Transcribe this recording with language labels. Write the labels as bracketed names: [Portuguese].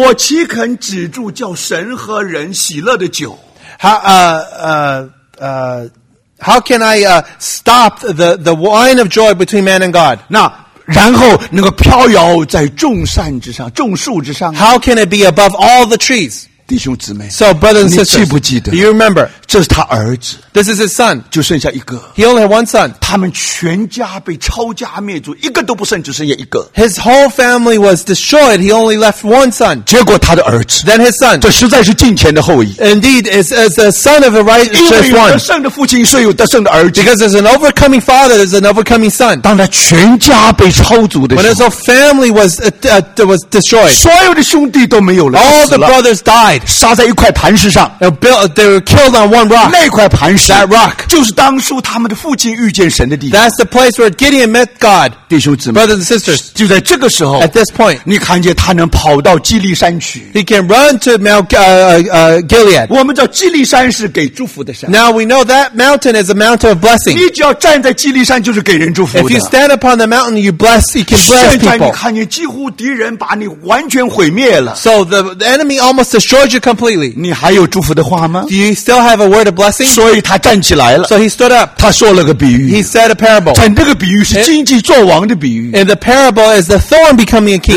[Chinese] 我岂肯止住叫神和人喜乐的酒？ [English] How can I stop the wine of joy between man and God? [Chinese] 那然后那个飘摇在众善之上，众树之上。 [English] How can it be above all the trees? [Chinese] 弟兄姊妹， [English] so brothers and sisters, [Chinese] 你记不记得？ [English] Do you remember? [Chinese] 这是他儿子。 [English] This is his son. [Chinese] 就剩下一个。 [English] He only had one son. [Chinese] 他们全家被抄家灭族，一个都不剩，只剩下一个。 [English] His whole family was destroyed. He only left one son. [Chinese] 结果他的儿子。 [English] Then his son. [Chinese] 这实在是近前的后裔。 [English] Indeed, it's the son of a righteous one. [Chinese] 因为有得胜的父亲，所以有得胜的儿子。 [English] Because there's an overcoming father, there's an overcoming son. [Chinese] 当他全家被抄族的时候。 [English] When his whole family was destroyed. [Chinese] 所有的兄弟都没有了。 [English] All the brothers died. died. [Chinese] 杀在一块磐石上。 [English] They were killed on one rock. [Chinese] 那块磐石。 [English] That rock. [Chinese] 就是当初他们的父亲遇见神的地方。 [English] That's the place where Gideon met God. [Chinese] 弟兄姊妹。 [English] Brothers and sisters. [Chinese] 就在这个时候。 [English] At this point. [Chinese] 你看见他能跑到基利山去。 [English] He can run to Gilead. [Chinese] 我们知道基利山是给祝福的山。 [English] Now we know that mountain is a mountain of blessing. [Chinese] 你只要站在基利山就是给人祝福的。 [English] If you stand upon the mountain, you can bless people. [Chinese] 现在你看见几乎敌人把你完全毁灭了。 [English] So the enemy almost destroyed you completely. [Chinese] 你还有祝福的话吗？ [English] Do you still have a word of blessing? [Chinese] 所以他站起来了。 [English] So he stood up. [Chinese] 他说了个比喻。 [English] He said a parable. [Chinese] 整个比喻是荆棘做王的比喻。 [English] And the parable is the thorn becoming a king.